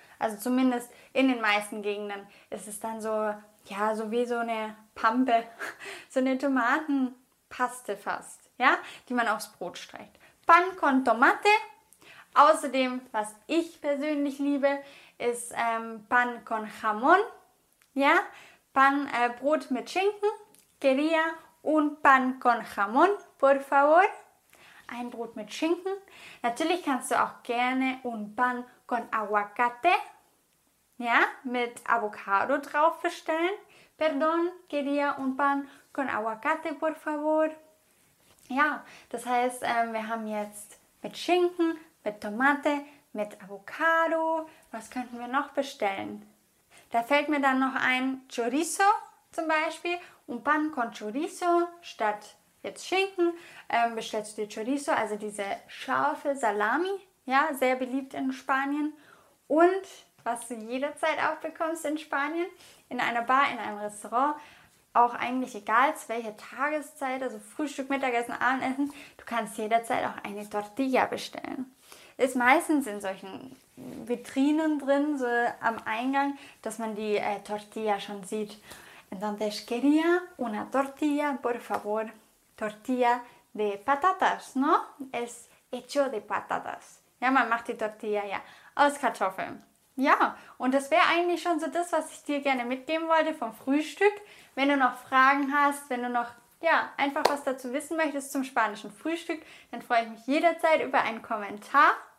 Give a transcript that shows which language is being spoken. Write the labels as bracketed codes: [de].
[de] Also zumindest in den meisten Gegenden ist es dann so, ja, so wie so eine Pampe, so eine Tomatenpaste fast, ja, die man aufs Brot streicht. [es] Pan con tomate. [de] Außerdem, was ich persönlich liebe, ist [es] Pan con jamón. [de] Ja, pan, Brot mit Schinken. [es] Quería un pan con jamón, por favor. [de] Ein Brot mit Schinken. Natürlich kannst du auch gerne [es] un pan con aguacate, [de] ja, mit Avocado drauf bestellen. [es] Perdón, quería un pan con aguacate, por favor. [de] Ja, das heißt, wir haben jetzt mit Schinken, mit Tomate, mit Avocado. Was könnten wir noch bestellen? Da fällt mir dann noch ein Chorizo zum Beispiel. [es] Un pan con chorizo [de] statt jetzt Schinken bestellst du dir Chorizo, also diese scharfe Salami, ja, sehr beliebt in Spanien. Und was du jederzeit auch bekommst in Spanien, in einer Bar, in einem Restaurant, auch eigentlich egal zu welcher Tageszeit, also Frühstück, Mittagessen, Abendessen, du kannst jederzeit auch eine Tortilla bestellen. Ist meistens in solchen Vitrinen drin, so am Eingang, dass man die Tortilla schon sieht. [es] Entonces, quería una tortilla, por favor. Tortilla de patatas, ¿no? Es hecho de patatas. [de] Ja, man macht die Tortilla ja aus Kartoffeln. Ja, und das wäre eigentlich schon so das, was ich dir gerne mitgeben wollte vom Frühstück. Wenn du noch Fragen hast, wenn du noch, ja, einfach was dazu wissen möchtest zum spanischen Frühstück, dann freue ich mich jederzeit über einen Kommentar.